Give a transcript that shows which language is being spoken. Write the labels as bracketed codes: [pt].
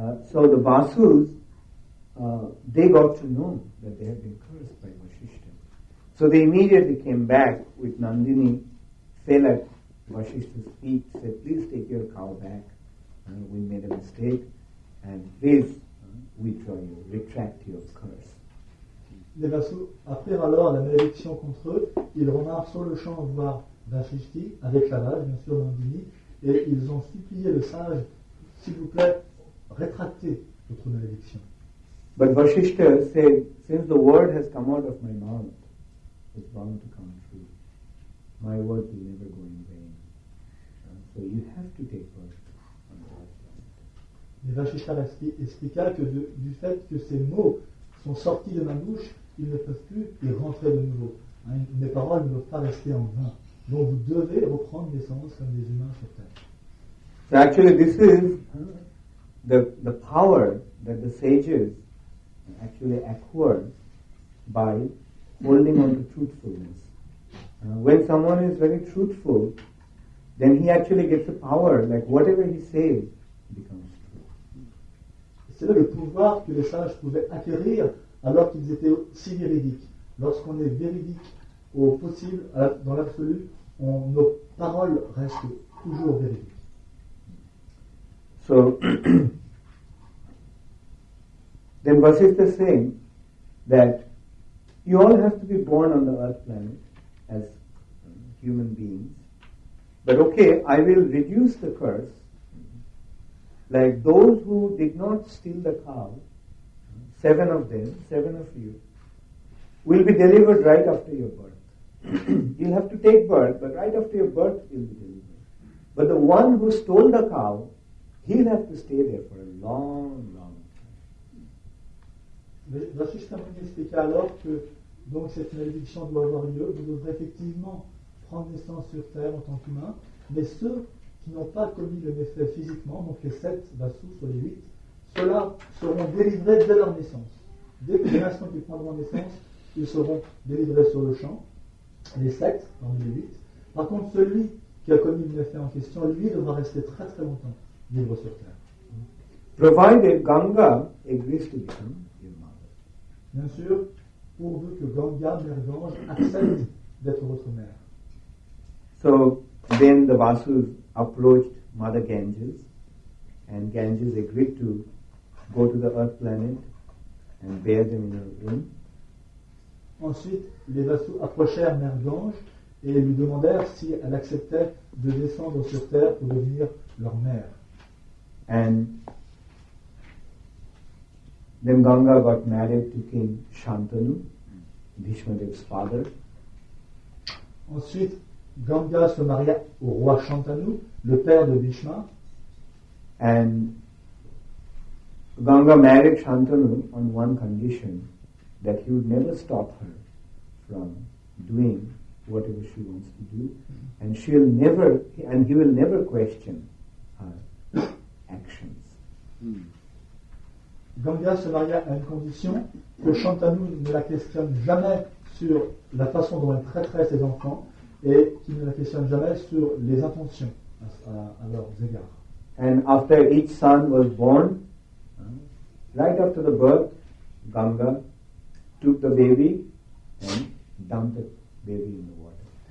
[en] So the Vasus, they got to know that they had been cursed by Vasishtha. So they immediately came back with Nandini, fell at Vasishtha's feet, said, please take your cow back. We made a mistake. And please withdraw you, retract your curse. [fr] Les Vasus apprirent alors la malédiction contre eux. Ils remarquent sur le champ voir Vasishtha avec la vache, bien sûr, Nandini, et ils ont supplié le sage, s'il vous plaît, rétractez votre malédiction. [en] But Vasishtha said, since the word has come out of my mouth, it's bound to come true. My word will never go in vain. So you have to take birth on the earth. [fr] Mais Vasishtha expliqua que du fait que ces mots sont sortis de ma bouche, ils ne peuvent plus y rentrer de nouveau. Mes paroles ne peuvent pas rester en vain. Donc vous devez reprendre l'essence comme des humains sur terre. [en] So actually this is the power that the sages actually acquired by holding on to truthfulness. When someone is very truthful, then he actually gets the power, like whatever he says becomes true. [fr] C'est là le pouvoir que les sages pouvaient acquérir alors qu'ils étaient si véridiques. Lorsqu'on est véridique au possible, dans l'absolu, nos paroles restent toujours véridiques. [en] So, then Vasishtha is saying that you all have to be born on the earth planet as human beings. But okay, I will reduce the curse. Like those who did not steal the cow, seven of you, will be delivered right after your birth. You'll have to take birth, but right after your birth you'll be delivered. But the one who stole the cow, he'll have to stay there for a long, long time. [fr] Vasishtha Muni expliqua alors que donc cette malédiction doit avoir lieu, vous devrez effectivement prendre naissance sur terre en tant qu'humain, mais ceux qui n'ont pas commis le méfait physiquement, donc les sept Vasus sur les huit, ceux-là seront délivrés dès leur naissance. Dès que l'instant qu'ils prendront naissance, ils seront délivrés sur le champ, les sept parmi les huit. Par contre, celui qui a commis le méfait en question, lui devra rester très très longtemps libre sur terre. [en] Provided Ganga agrees to become. [fr] Bien sûr, pourvu que Ganga, Mère Gange, accepte d'être votre mère. [en] So, then the Vasus approached Mother Ganges, and Ganges agreed to go to the earth planet and bear them in her womb. [fr] Ensuite, les Vasus approchèrent Mère Gange et lui demandèrent si elle acceptait de descendre sur terre pour devenir leur mère. [en] And then Ganga got married to King Shantanu, Bhishma Dev's father. [fr] Ensuite, Ganga se maria au roi Shantanu, le père de Bhishma. [en] And Ganga married Shantanu on one condition, that he would never stop her from doing whatever she wants to do, and he will never question her actions. [fr] Ganga se maria à une condition que Shantanu ne la questionne jamais sur la façon dont elle traiterait ses enfants et qui ne la questionne jamais sur les intentions à leurs égards. [en] And after each son was born, right after the birth, Ganga took the baby and dumped the baby in the water.